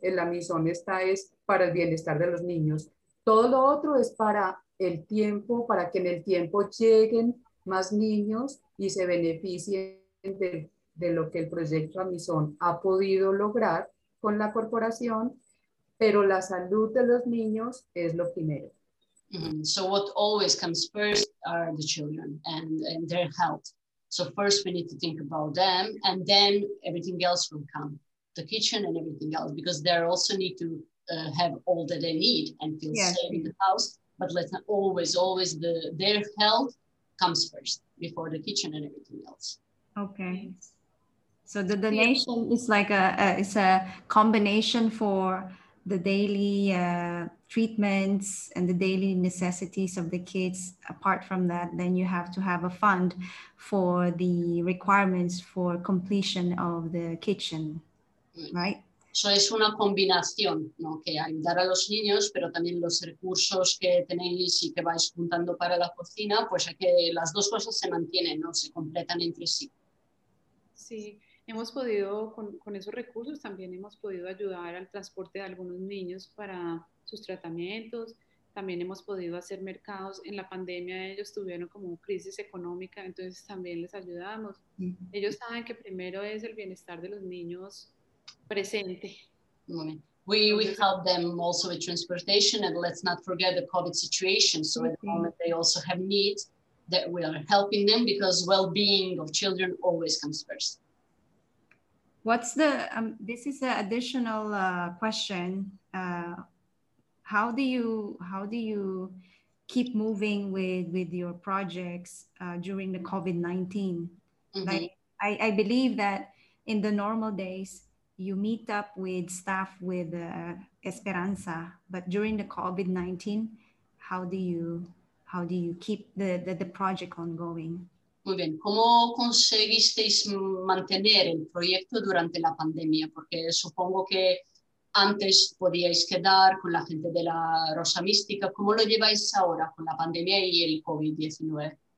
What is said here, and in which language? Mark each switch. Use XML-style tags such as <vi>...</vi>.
<es>El Amizón está es para el bienestar de los niños. Todo lo otro es para el tiempo, para que en el tiempo lleguen más niños y se beneficien de lo que el proyecto Amizón ha podido lograr con la corporación, pero la salud de los niños es lo primero. Mm-hmm.</es> <en>So what always comes first are the children and their health. So first we need to think about them and then everything else will come. The kitchen and everything else, because they also need to have all that they need and feel safe in the house. But let's not always their health comes first before the kitchen and everything else. Okay. So the donation is like it's a combination for the daily treatments and the daily necessities of the kids. Apart from that, then you have to have a fund for the requirements for completion of the kitchen, right?</en> <es>Eso es una combinación, ¿no? Que ayudar a los niños, pero también los recursos que tenéis y que vais juntando para la cocina, pues que las dos cosas se mantienen, ¿no? Se completan entre sí. Sí, hemos podido, con esos recursos también hemos podido ayudar al transporte de algunos niños para sus tratamientos, también hemos podido hacer mercados. En la pandemia ellos tuvieron como crisis económica, entonces también les ayudamos. Uh-huh. Ellos saben que primero es el bienestar de los niños presente.</es> <en>We help them also with transportation, and let's not forget the COVID situation. So at the moment they also have needs that we are helping them, because well-being of children always comes first. What's the this is an additional question. How do you keep moving with your projects during the COVID-19? Mm-hmm. Like, I believe that in the normal days you meet up with staff with Esperanza, but during the COVID-19, how do you keep the project ongoing?</en> <es>Muy bien. ¿Cómo conseguisteis mantener el proyecto durante la pandemia? Porque supongo que antes podíais quedar con la gente de la Rosa Mística. ¿Cómo lo lleváis ahora con la pandemia y el COVID-19?</es>